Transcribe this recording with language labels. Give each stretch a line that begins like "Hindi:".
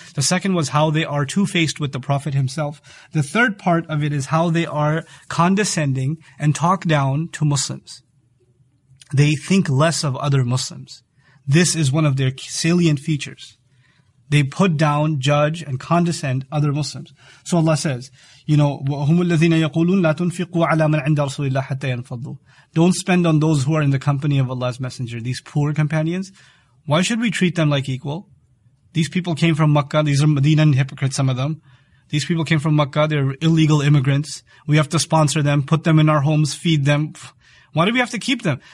English: The second was how they are two-faced with the Prophet himself. The third part of it is how they are condescending and talk down to Muslims. They think less of other Muslims. This is one of their salient features. They put down, judge, and condescend other Muslims. So Allah says, you know,
Arabic: وَهُمُ الَّذِينَ يَقُولُونَ لَا تُنْفِقُوا عَلَى مَنْ عِنْدَ رَسُولِ اللَّهِ حَتَّى يَنْفَضُّوا.
English: Don't spend on those who are in the company of Allah's Messenger, these poor companions. Why should we treat them like equal? These people came from Makkah. These are Medinan hypocrites, some of them. These people came from Makkah. They're illegal immigrants. We have to sponsor them, put them in our homes, feed them. Why do we have to keep them?